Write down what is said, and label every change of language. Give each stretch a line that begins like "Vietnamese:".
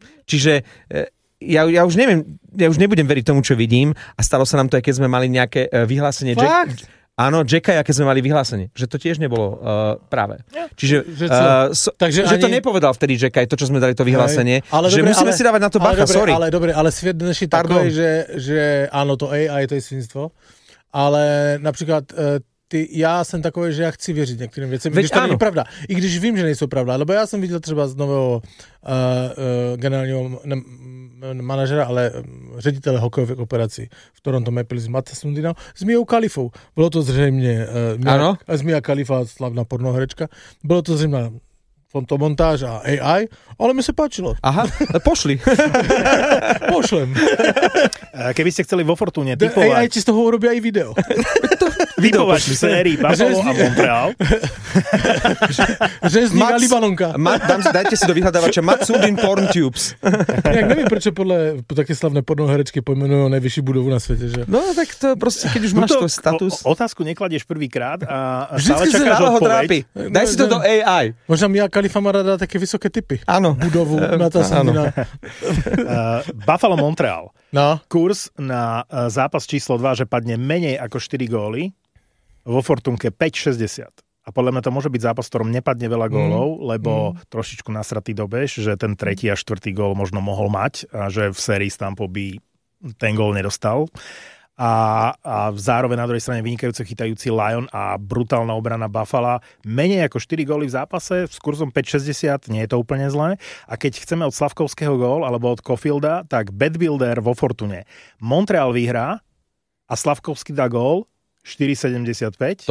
Slovak: Čiže ja už nebudem veriť tomu, čo vidím, a stalo sa nám to, aj keď sme mali nejaké vyhlásenie. Fakt? Áno, Jacka, aké sme mali vyhlásenie, že to tiež nebolo práve. Čiže takže to nepovedal vtedy Jacka, to, čo sme dali to vyhlásenie, ale že dobre, musíme si dávať na to bacha, sorry.
Czech: Ale dobre, ale svet dnešný takový, že áno, to AI, to je svinstvo, ale napríklad ja som takový, že ja chci věřit některým věcem, když to není pravda. I když vím, že nejsou pravda, lebo ja som viděl třeba z nového generálního manažera, ale ředitele hokejových operací v Toronto Maple Leafs, Matta Sundina, s Mijou Khalifou. Bylo to zřejmě s Mijou Khalifa, slavná pornoherečka, bylo to zřejmě fotomontáž a AI, ale mi se páčilo.
Slovak: Aha, pošli. Pošlem. Keby ste chceli vo Fortune typovať... AI či z toho urobí aj video. Typovať v sérii Buffalo a Montreal. Žezníka Libanonka. Dajte si do vyhľadávača Matt Sundin Porn Tubes. Nejak neviem, prečo podľa také slavné pornoherečky pojmenujú najvyšší budovu na svete. Že? No tak to proste, keď už máš to status. Otázku nekladieš prvýkrát a stále čakáš odpoveď. Ho trápi. Daj si to do AI. Možná Mia Khalifa má rada také vysoké typy. Áno. Budovu Matta Sundina. Buffalo Montreal. No. Kurs na zápas číslo 2, že padne menej ako 4 góly vo Fortunke 5-60. A podľa mňa to môže byť zápas, v ktorom nepadne veľa gólov, lebo trošičku nasratý dobež, že ten tretí a štvrtý gól možno mohol mať a že v sérii s Tampou by ten gól nedostal. A zároveň na druhej strane vynikajúce chytajúci Lion a brutálna obrana Buffalo. Menej ako 4 góly v zápase s kurzom 5,60, nie je to úplne zlé. A keď chceme od Slavkovského gól alebo od Caulfielda, tak Bet Builder vo Fortune. Montreal vyhrá a Slavkovský dá gól 4,75.